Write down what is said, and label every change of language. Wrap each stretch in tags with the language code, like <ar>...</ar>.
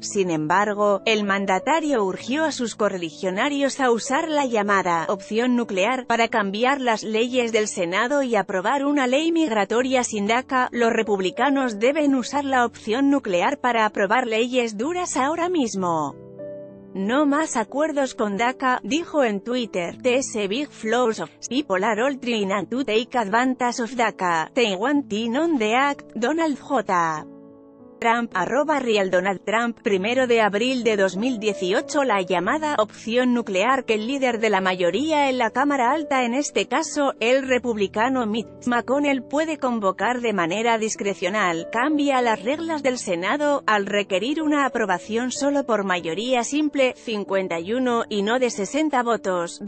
<es>Sin embargo, el mandatario urgió a sus correligionarios a usar la llamada opción nuclear para cambiar las leyes del Senado y aprobar una ley migratoria sin DACA. Los republicanos deben usar la opción nuclear para aprobar leyes duras ahora mismo. No más acuerdos con DACA, dijo en Twitter.</es> <en>This big flow of people are all trying to take advantage of DACA. They want in on the act, Donald J.</en> <es>Trump, arroba Real Donald Trump, 1 de abril de 2018. La llamada opción nuclear que el líder de la mayoría en la Cámara Alta, en este caso, el republicano Mitch McConnell, puede convocar de manera discrecional, cambia las reglas del Senado, al requerir una aprobación solo por mayoría simple, 51, y no de 60 votos.</es>